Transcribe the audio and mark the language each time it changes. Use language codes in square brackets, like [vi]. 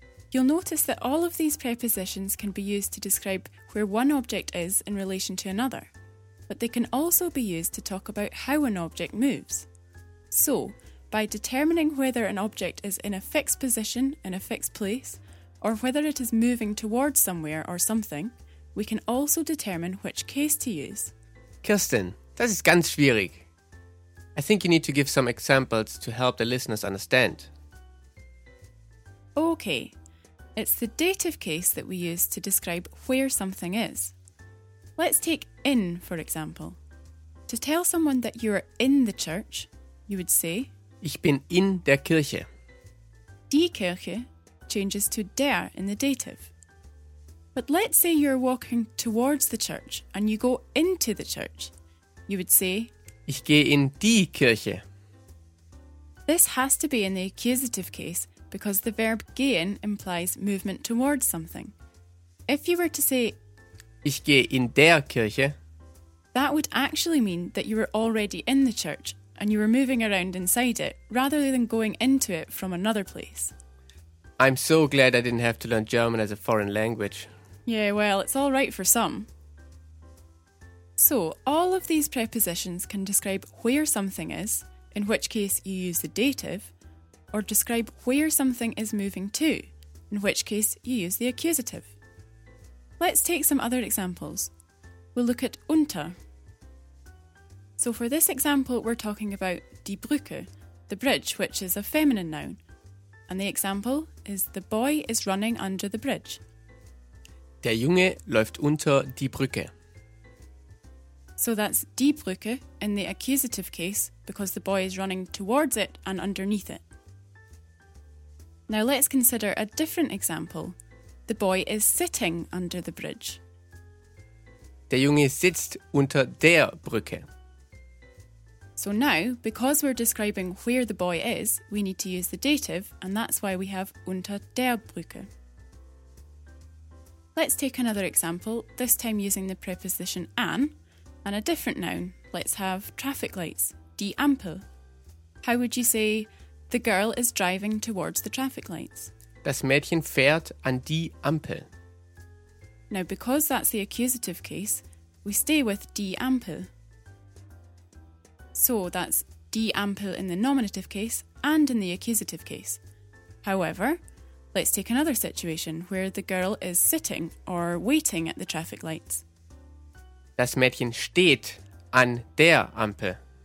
[en] You'll notice that all of these prepositions can be used to describe where one object is in relation to another, but they can also be used to talk about how an object moves. So, by determining whether an object is in a fixed position, in a fixed place, or whether it is moving towards somewhere or something, we can also determine which case to use. [de] Kirsten, das ist ganz schwierig. [en] I think you need to give some examples to help the listeners understand. Okay, it's the dative case that we use to describe where something is. Let's take in, for example. To tell someone that you are in the church, you would say [de] Ich bin in der Kirche. [en] Die Kirche changes to der in the dative. But let's say you're walking towards the church and you go into the church. You would say [de] Ich gehe in die Kirche. [en] This has to be in the accusative case because the verb gehen implies movement towards something. If you were to say [de] Ich gehe in der Kirche, [en] that would actually mean that you were already in the church and you were moving around inside it rather than going into it from another place. I'm so glad I didn't have to learn German as a foreign language. Yeah, well, it's all right for some. So, all of these prepositions can describe where something is, in which case you use the dative, or describe where something is moving to, in which case you use the accusative. Let's take some other examples. We'll look at unter. So for this example, we're talking about die Brücke, the bridge, which is a feminine noun. And the example is the boy is running under the bridge. [de] Der Junge läuft unter die Brücke. [en] So that's die Brücke in the accusative case because the boy is running towards it and underneath it. Now let's consider a different example. The boy is sitting under the bridge. [de] Der Junge sitzt unter der Brücke. [en] So now, because we're describing where the boy is, we need to use the dative and that's why we have unter der Brücke. Let's take another example, this time using the preposition an. And a different noun, let's have traffic lights, die Ampel. How would you say, the girl is driving towards the traffic lights? [de] Das Mädchen fährt an die Ampel. [en] Now, because that's the accusative case, we stay with die Ampel. So that's die Ampel in the nominative case and in the accusative case. However, let's take another situation where the girl is sitting or waiting at the traffic lights. [de] Das Mädchen steht an der Ampel.